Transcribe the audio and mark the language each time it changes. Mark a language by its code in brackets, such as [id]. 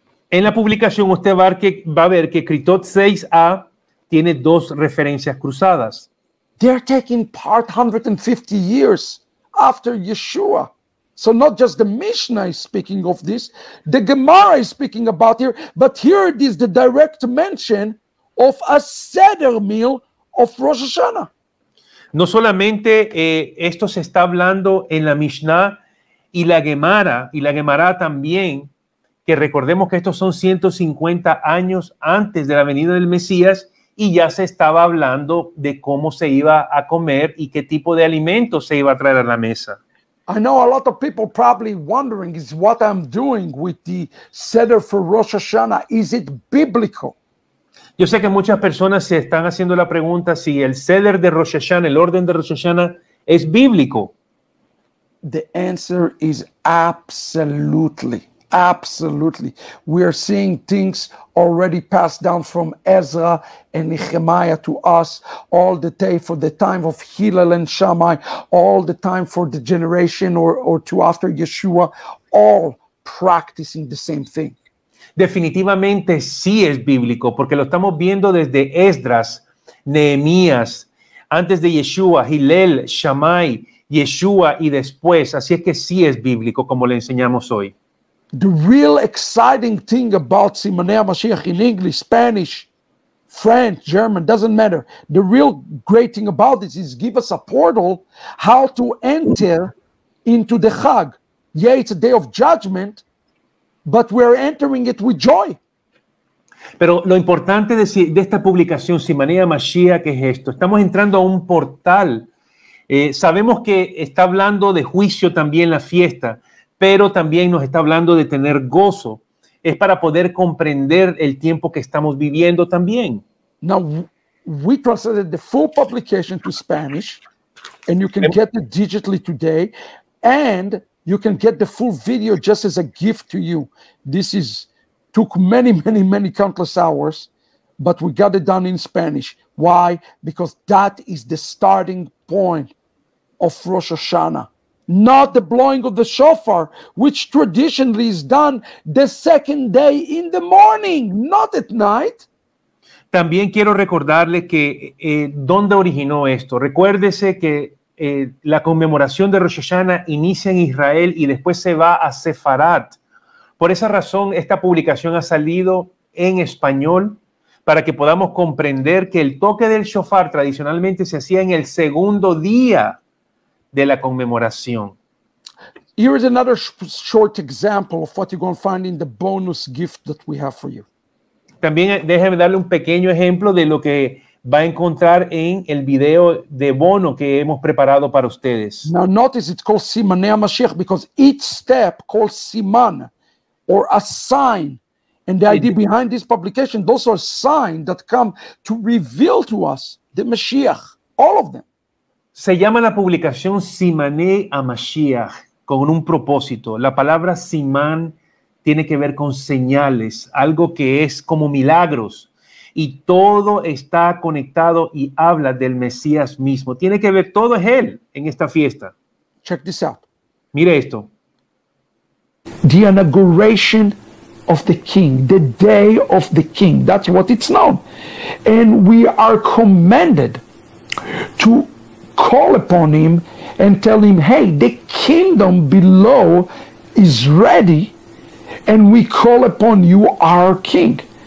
[es] En la publicación usted va a ver que Keritot 6a tiene dos referencias cruzadas. [en] They're taking part 150 years after Yeshua. So not just the Mishnah is speaking of this, the Gemara is speaking about here, but here it is the direct mention of a Seder meal of Rosh Hashanah. [es] No solamente esto se está hablando en la Mishnah y la Gemara también, que recordemos que estos son 150 años antes de la venida del Mesías y ya se estaba hablando de cómo se iba a comer y qué tipo de alimentos se iba a traer a la mesa. [en] I know a lot of people probably wondering is what I'm doing with the Seder for Rosh Hashanah. Is it biblical? [es] Yo sé que muchas personas se están haciendo la pregunta si el Seder de Rosh Hashanah, el orden de Rosh Hashanah, es bíblico. [en] The answer is absolutely. Absolutely. We are seeing things already passed down from Ezra and Nehemiah to us all the day for the time of Hillel and Shammai, all the time for the generation or to after Yeshua, all practicing the same thing. [es] Definitivamente sí es bíblico, porque lo estamos viendo desde Esdras, Nehemías, antes de Yeshua, Hillel, Shammai, Yeshua y después. Así es que sí es bíblico, como le enseñamos hoy. [en] The real exciting thing about Simonei HaMashiach in English, Spanish, French, German, doesn't matter. The real great thing about this is give us a portal how to enter into the Chag. Yeah, it's a day of judgment, but we're entering it with joy. [es] Pero lo importante de esta publicación, Simonei HaMashiach, es esto. Estamos entrando a un portal. Sabemos que está hablando de juicio también la fiesta, pero también nos está hablando de tener gozo. Es para poder comprender el tiempo que estamos viviendo también. [en] Now, we translated the full publication to Spanish, and you can get it digitally today, and you can get the full video just as a gift to you. This is took many, many, many countless hours, but we got it done in Spanish. Why? Because that is the starting point of Rosh Hashanah. Not the blowing of the shofar, which traditionally is done the second day in the morning, not at night. [es] También quiero recordarle que dónde originó esto. Recuérdese que la conmemoración de Rosh Hashanah inicia en Israel y después se va a Sefarad. Por esa razón, esta publicación ha salido en español para que podamos comprender que el toque del shofar tradicionalmente se hacía en el segundo día de la conmemoración. [en] Here is another short example of what you're going to find in the bonus gift that we have for you. [es] También déjeme darle un pequeño ejemplo de lo que va a encontrar en el video de bono que hemos preparado para ustedes. [en] Now notice it's called Simonei HaMashiach because each step called Siman or a sign, and the idea behind this publication, those are signs that come to reveal to us the Mashiach, all of them. [es] Se llama la publicación Simonei HaMashiach con un propósito. La palabra Simán tiene que ver con señales, algo que es como milagros. Y todo está conectado y habla del Mesías mismo. Tiene que ver, todo es Él en esta fiesta. [en] Check this out. [es] Mire esto. [en] The inauguration of the king, the day of the king. That's what it's known. And we are commanded to call upon him and tell him, hey, the kingdom below is ready and we call upon you our king.